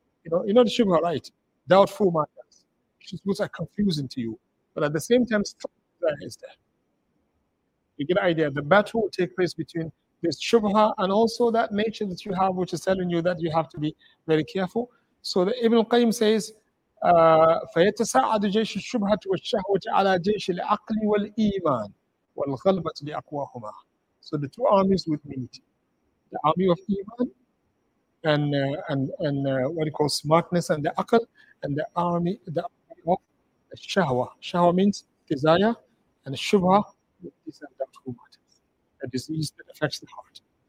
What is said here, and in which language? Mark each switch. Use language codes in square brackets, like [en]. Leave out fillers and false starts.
[en] You know the shubha, right? Doubtful matters. Shubhas are confusing to you. But at the same time, shubha is there. You get the idea. The battle will take place between this shubha and also that nature that you have, which is telling you that you have to be very careful. So the Ibn Qayyim says, [ar] فَيَتَسَعَدُ جَيْشُ الشُّبْهَةُ وَالشَّهْوَةُ عَلَى جَيْشِ الْعَقْلِ وَالْإِيمَانِ وَالْغَلْبَةُ لِأَقْوَاهُمَا. [en] So the two armies would meet, the army of Iman and what you call smartness and the akal, and the army of Shahwa. Shahwa means desire, and Shubha is a disease that affects the heart.